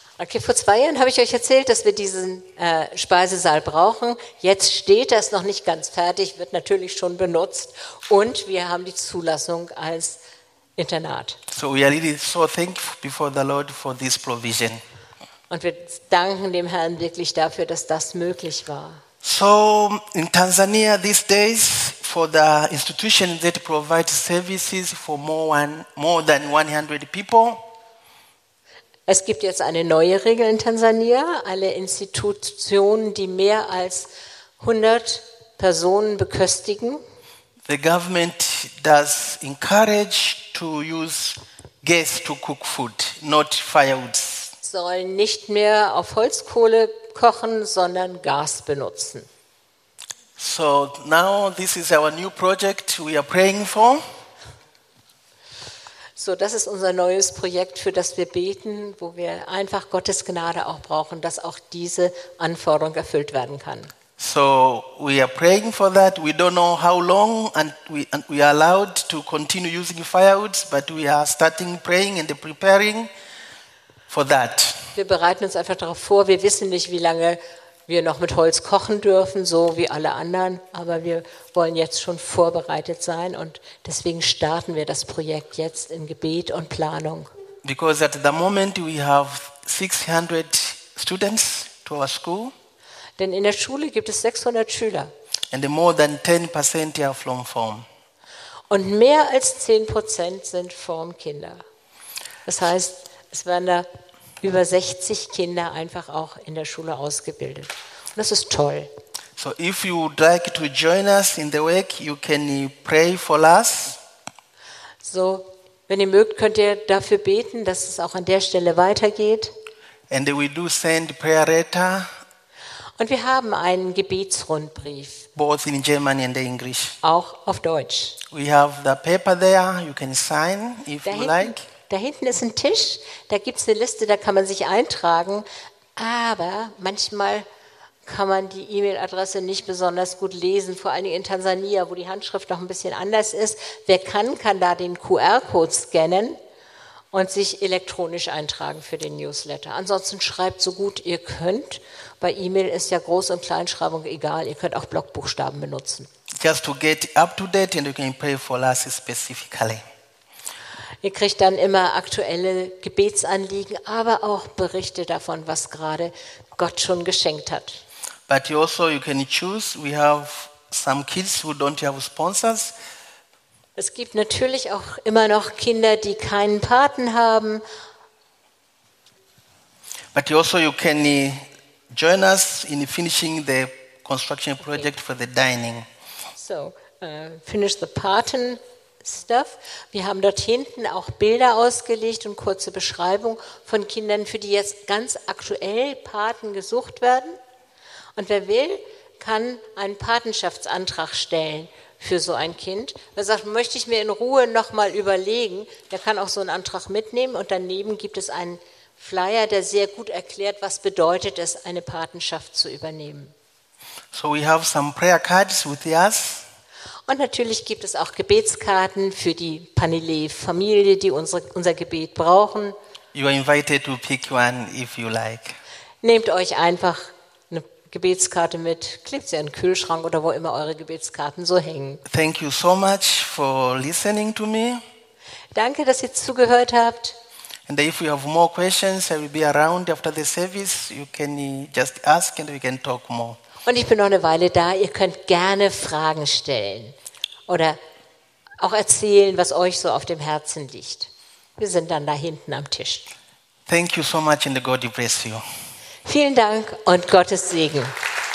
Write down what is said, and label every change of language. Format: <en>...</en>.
<de>Okay, vor 2 Jahren habe ich euch erzählt, dass wir diesen Speisesaal brauchen. Jetzt steht das noch nicht ganz fertig, wird natürlich schon benutzt und wir haben die Zulassung als Internat.</de> <en>So we are really so thankful before the Lord for this provision.</en> <de>Und wir danken dem Herrn wirklich dafür, dass das möglich war.</de> <en>So in Tanzania these days for the institution that provides services for more than 100 people.</en> <de>Es gibt jetzt eine neue Regel in Tansania. Alle Institutionen, die mehr als 100 Personen beköstigen.</de> <en>The government does encourage to use gas to cook food, not firewoods.</en> <de>Sollen nicht mehr auf Holzkohle kochen, sondern Gas benutzen.</de> <en>So now this is our new project we are praying for.</en> <de>So, das ist unser neues Projekt, für das wir beten, wo wir einfach Gottes Gnade auch brauchen, dass auch diese Anforderung erfüllt werden kann.</de> <en>So, we are praying for that. We don't know how long and we are allowed to continue using firewoods, but we are starting praying and preparing for that.</en> <de>Wir bereiten uns einfach darauf vor. Wir wissen nicht, wie lange wir noch mit Holz kochen dürfen, so wie alle anderen, aber wir wollen jetzt schon vorbereitet sein und deswegen starten wir das Projekt jetzt in Gebet und Planung.</de> <en>Because at the moment we have 600 students to our school.</en> <de>Denn in der Schule gibt es 600 Schüler.</de> <en>And more than 10% are from Form.</en> <de>Und mehr als 10% sind Formkinder. Das heißt, es werden da über 60 Kinder einfach auch in der Schule ausgebildet. Und das ist toll.</de> <en>So if you would like to join us in the work, you can pray for us.</en> <de>So, wenn ihr mögt, könnt ihr dafür beten, dass es auch an der Stelle weitergeht.</de> <en>And we do send prayer letter.</en> <de>Und wir haben einen Gebetsrundbrief.</de> <en>Both in German and English.</en> <de>Auch auf Deutsch.</de> <en>We have the paper there, you can sign if you like.</en> <de>Da hinten ist ein Tisch, da gibt es eine Liste, da kann man sich eintragen, aber manchmal kann man die E-Mail-Adresse nicht besonders gut lesen, vor allem in Tansania, wo die Handschrift noch ein bisschen anders ist. Wer kann da den QR-Code scannen und sich elektronisch eintragen für den Newsletter. Ansonsten schreibt so gut ihr könnt, bei E-Mail ist ja Groß- und Kleinschreibung egal, ihr könnt auch Blockbuchstaben benutzen.</de> <en>Just to get up to date and you can pray for us specifically.</en> <de>Ihr kriegt dann immer aktuelle Gebetsanliegen, aber auch Berichte davon, was gerade Gott schon geschenkt hat.</de> <en>But you also you can choose. We have some kids who don't have sponsors.</en> <de>Es gibt natürlich auch immer noch Kinder, die keinen Paten haben.</de> <en>But you also you can join us in finishing the construction project for the dining. So, finish the paten stuff.</en> <de>Wir haben dort hinten auch Bilder ausgelegt und kurze Beschreibung von Kindern, für die jetzt ganz aktuell Paten gesucht werden. Und wer will, kann einen Patenschaftsantrag stellen für so ein Kind. Wer sagt, möchte ich mir in Ruhe nochmal überlegen, der kann auch so einen Antrag mitnehmen. Und daneben gibt es einen Flyer, der sehr gut erklärt, was bedeutet es, eine Patenschaft zu übernehmen.</de> <en>So we have some prayer cards with us.</en> <de>Und natürlich gibt es auch Gebetskarten für die Panile-Familie, die unser Gebet brauchen.</de> <en>You are invited to pick one if you like.</en> <de>Nehmt euch einfach eine Gebetskarte mit, klebt sie in den Kühlschrank oder wo immer eure Gebetskarten so hängen.</de> <en>Thank you so much for listening to me.</en> <de>Danke, dass ihr zugehört habt.</de> <en>And if you have more questions, I will be around after the service. You can just ask and we can talk more.</en> <de>Und ich bin noch eine Weile da. Ihr könnt gerne Fragen stellen oder auch erzählen, was euch so auf dem Herzen liegt. Wir sind dann da hinten am Tisch.</de> <en>Thank you so much and God bless you.</en> <de>Vielen Dank und Gottes Segen.</de>